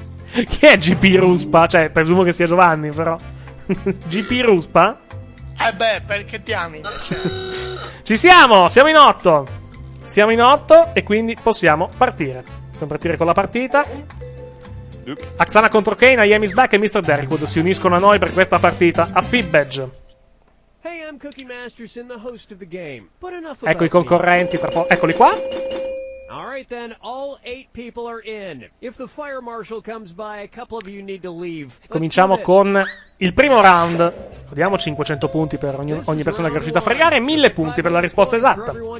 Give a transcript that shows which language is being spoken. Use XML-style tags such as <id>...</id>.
<it>Chi è GP Ruspa? Cioè, presumo che sia Giovanni, però. GP Ruspa? Perché ti ami? Ci siamo in 8. Siamo in 8 e quindi possiamo partire. Possiamo partire con la partita. Aksana contro Kane, I am is back e Mr. Derrickwood si uniscono a noi per questa partita. A Fibbage.</it> <en>Hey, I'm Cookie Masterson, the host of the game. But enough about,</en> <it>ecco i concorrenti, tra poco. Eccoli qua.</it> <en>Alright then, all 8 people are in. If the fire marshal comes by, a couple of you need to leave.</en> <it>Cominciamo con il primo round. Diamo 500 punti per ogni persona che è riuscita a fregare, 1000 punti per la risposta esatta.</it>